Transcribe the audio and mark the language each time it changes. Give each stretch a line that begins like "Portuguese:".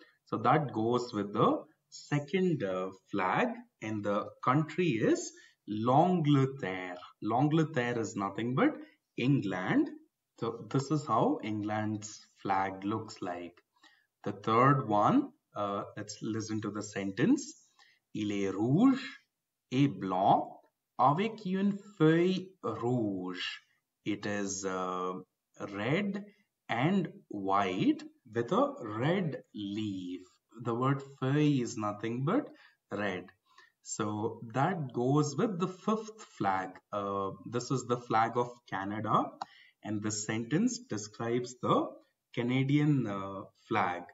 English: So that goes with the second flag, and the country is L'Angleterre. L'Angleterre is nothing but England. So this is how England's flag looks like. The third one, let's listen to the sentence.
French: Il est rouge et blanc avec une feuille rouge.
English: It is red and white with a red leaf. The word feuille is nothing but red. So that goes with the fifth flag. This is the flag of Canada. And the sentence describes the Canadian flag.